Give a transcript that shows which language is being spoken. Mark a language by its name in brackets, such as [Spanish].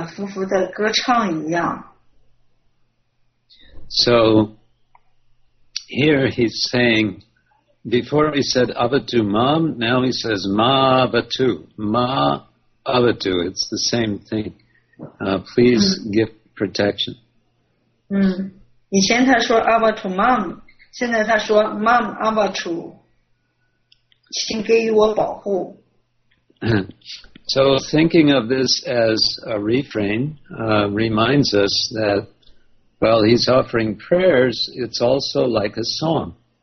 [Chinese] 就像是反反复复的歌唱一样。 [English] So here he's saying, before he said avatu mam, now he says ma avatu, ma avatu. It's the same thing. Please give protection. [Chinese] 以前他说 avatu mam, 现在他说 mam avatu, 请给予我保护。 [English] So thinking of this as a refrain reminds us that while he's offering prayers, it's also like a song.